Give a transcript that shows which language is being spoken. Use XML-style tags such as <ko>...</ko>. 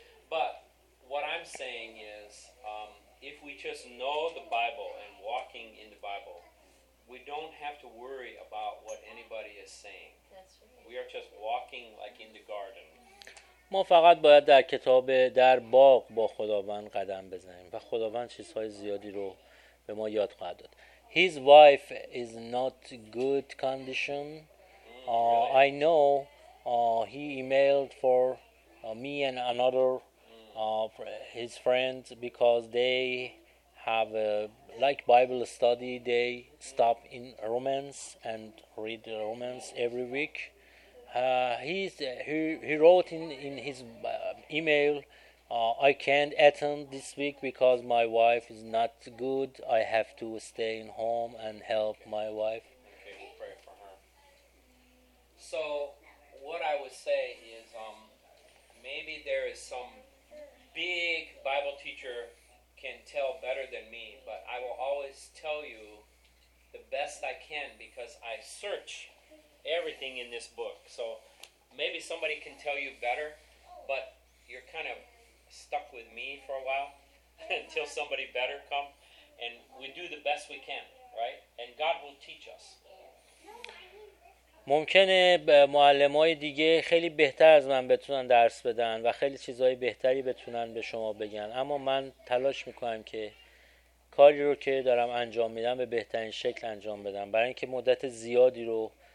<en>But what I'm saying is, if we just know the Bible and walking in the Bible. We don't have to worry about what anybody is saying. We are just walking like in the garden.</en> <fa>ما فقط باید در کتاب در باغ با خداوند قدم بزنیم و خداوند چیزهای زیادی رو به ما یاد خواهد داد.</fa> <en>His wife is not good condition. I know he emailed for me and another his friends because they have a like Bible study they stop in Romans and read the Romans every week. He wrote in his email, I can't attend this week because my wife is not good. I have to stay in home and help my wife. Okay, we'll pray for her. So what I would say is maybe there is some big Bible teacher can tell better than me, but I will always tell you the best I can because I search everything in this book. So maybe somebody can tell you better, but you're kind of stuck with me for a while until somebody better come, and we do the best we can, right? And God will teach us.</en> <fa>ممکنه معلمای دیگه خیلی بهتر از من بتونن درس بدن و خیلی چیزهای بهتری بتونن به شما بگن، اما من تلاش میکنم که کاری رو که دارم انجام میدم به بهترین شکل انجام بدم، برای اینکه مدت زیادی رو</fa>